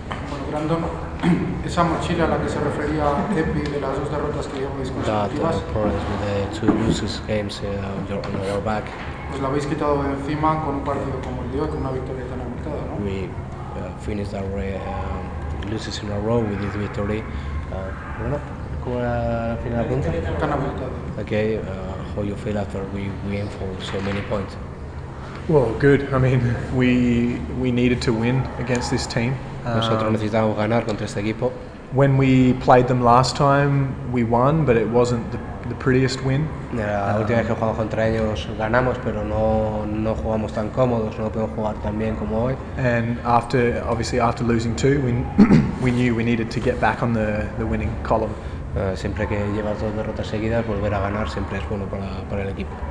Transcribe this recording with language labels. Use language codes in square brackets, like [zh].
[es] Bueno, Brandon, esa mochila a la que se refería Epi de las dos derrotas que llevabais consecutivas. [en] The two losses games on your back. [es] Pues la habéis quitado de encima con un partido como el de hoy, con una victoria tan apretada, ¿no? [en] We finished our losses in a row with this victory. How you feel after we win for so many points? Well, good. I mean, we needed to win against this team. [es] Nosotros necesitábamos ganar contra este equipo. [en] When we played them last time, we won, but it wasn't the prettiest win. [es] La última vez que jugamos contra ellos ganamos, pero no jugamos tan cómodos, no podemos jugar tan bien como hoy. [en] And after losing two, we knew we needed to get back on the winning column. [es] Siempre que llevas dos derrotas seguidas, volver a ganar siempre es bueno para el equipo.